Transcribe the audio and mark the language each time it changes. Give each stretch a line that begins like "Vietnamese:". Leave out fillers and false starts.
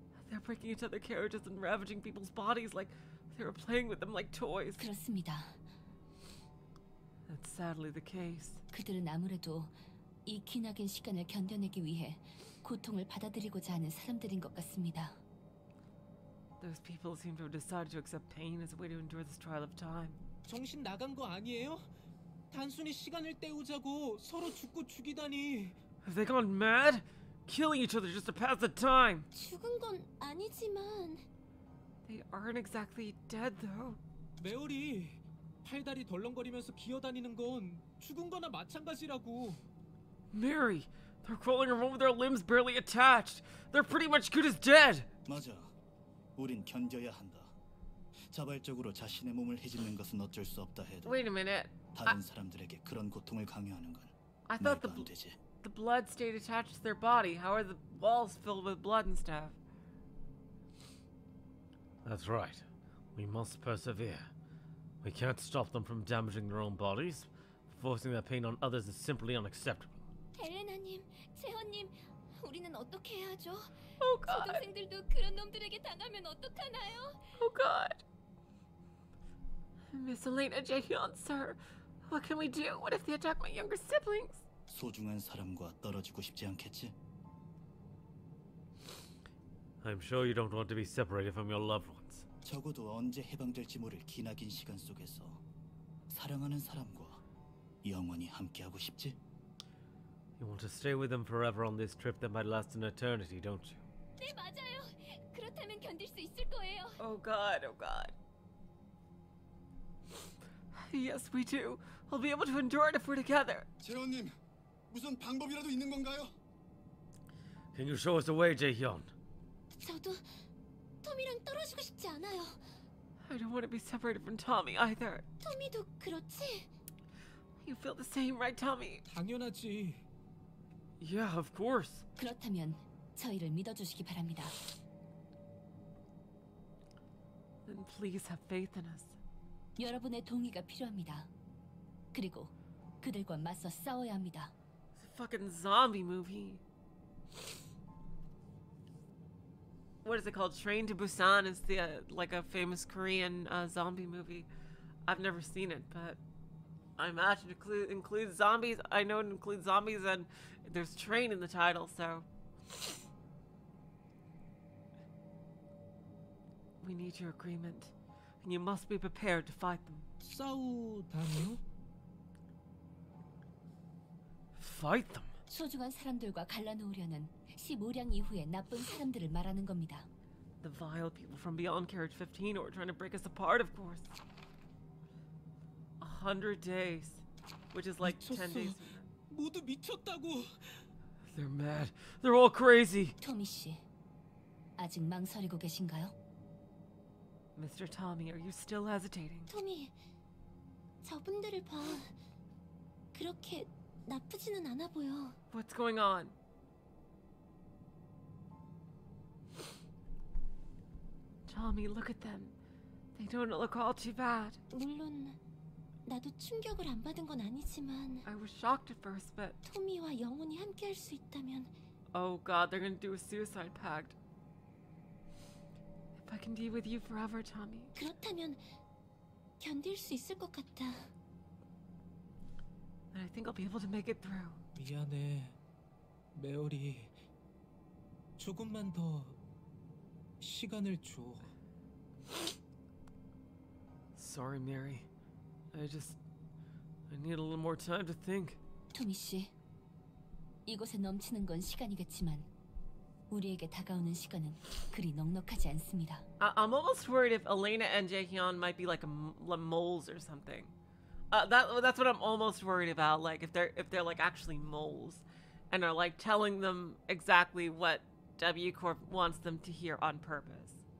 English: They're breaking each other's carriages and ravaging people's bodies like they were playing with them like toys.
Korean: 그렇습니다.
English: That's sadly the case.
Korean: 그들은 아무래도 이 기나긴 시간을 견뎌내기 위해 고통을 받아들이고자 하는 사람들인 것 같습니다.
English: Those people seem to have decided to accept pain as a way to endure this trial of time.
Korean: 정신 나간 거 아니에요? 단순히 시간을 때우자고 서로 죽고 죽이다니.
English: Have they gone mad? Killing each other just to pass the time.
Korean: 죽은 건 아니지만.
English: They aren't exactly dead though.
Korean: 메오리, 팔다리 덜렁거리면서 기어다니는 건 죽은 거나 마찬가지라고.
English: Mary, they're crawling around with their limbs barely attached. They're pretty much good as dead.
Korean: 맞아. 우린 견뎌야 한다. 자발적으로 자신의 몸을 해지는 것은 어쩔 수 없다 해도.
English: Wait a minute.
Korean: 다른 사람들에게 그런 고통을 강요하는 건
English: I thought the blood stayed attached to their body. How are the walls filled with blood and stuff? That's right. We must persevere. We can't stop them from damaging their own bodies. Forcing their pain on others is simply unacceptable.
Korean: 엘레나님, 제헌님, 우리는 어떻게 해야 하죠?
English: Oh God.
Korean: 초등생들도 그런 놈들에게 당하면 어떡하나요?
English: Oh God. Miss Elena Jaehyun, sir. What can we do? What if they attack my younger siblings?
Korean: 소중한 사람과 떨어지고 싶지 않겠지?
English: I'm sure you don't want to be separated from your loved ones.
Korean: 적어도 언제 해방될지 모를 기나긴 시간 속에서 사랑하는 사람과 영원히 함께하고 싶지?
English: You want to stay with them forever on this trip that might last an eternity, don't you?
Korean: 네, 맞아요. 그렇다면 견딜 수 있을 거예요.
English: Oh God, oh God. Yes, we do. We'll be able to endure it if we're together.
Korean: 재현님, 무슨 방법이라도 있는 건가요?
English: Can you show us a way, Jaehyun?
Korean: 저도 토미랑 떨어지고 싶지 않아요.
English: I don't want to be separated from Tommy either.
Korean: 토미도 그렇지?
English: You feel the same, right, Tommy?
Korean: 당연하지.
English: Yeah, of course.
Korean: 그렇다면 저희를 믿어주시기 바랍니다.
English: Then please have faith in us.
Korean: 여러분의 동의가 필요합니다. 그리고 그들과 맞서 싸워야 합니다.
English: It's a fucking zombie movie. What is it called? Train to Busan is the like a famous Korean zombie movie. I've never seen it, but I imagine it includes zombies. I know it includes zombies, and there's train in the title, so we need your agreement, and you must be prepared to fight them. So, Daniel, fight them.
Korean: 소중한 사람들과 갈라놓으려는 15량 이후에 나쁜 사람들을 말하는 겁니다.
English: The vile people from beyond carriage 15 who are trying to break us apart, of course. 100 days, which is like
Korean: 미쳤어.
English: 10 days.
Korean: 모두 미쳤다고.
English: They're mad. They're all crazy.
Korean: 토미 씨, 아직 망설이고 계신가요?
English: Mr. Tommy, are you still hesitating?
Korean: 토미, 저분들을 봐. 그렇게 나쁘지는 않아 보여.
English: What's going on? Tommy, look at them. They don't look all too bad.
Korean: 물론 나도 충격을 안 받은 건 아니지만.
English: I was shocked at first, but
Korean: 토미와 영원히 함께할 수 있다면.
English: Oh God, they're gonna do a suicide pact. If I can be with you forever, Tommy.
Korean: 그렇다면 견딜 수 있을 것 같다.
English: Then I think I'll be able to make it through.
Korean: 미안해, 메오리. 조금만 더 시간을 줘.
English: Sorry, Mary. I need a little more time to think.
Korean: 토미 씨, 이곳에 넘치는 건 시간이겠지만 우리에게 다가오는 시간은 그리 넉넉하지 않습니다.
English: I'm almost worried if Elena and Jaehyun might be like moles or something. That's what I'm almost worried about. Like if they're like actually moles, and are like telling them exactly what W Corp wants them to hear on purpose.